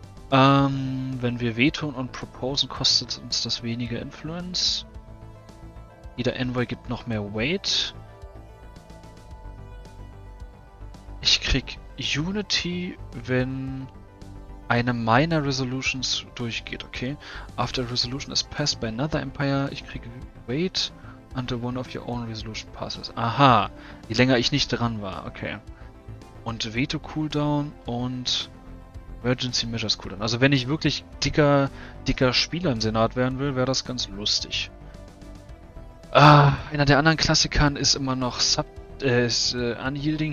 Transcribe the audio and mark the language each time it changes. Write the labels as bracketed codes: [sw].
[de] Wenn wir vetoen und proposen, kostet uns das weniger Influence. Jeder Envoy gibt noch mehr Weight. Ich krieg Unity, wenn eine meiner Resolutions durchgeht, okay? [en] After a resolution is passed by another empire, [de] ich kriege Weight. [en] Until one of your own resolution passes. [de] Aha, je länger ich nicht dran war, okay. Und Veto Cooldown und Emergency Measures Cooldown. Also wenn ich wirklich dicker, dicker Spieler im Senat werden will, wäre das ganz lustig. Einer der anderen Klassikern ist immer noch Unyielding.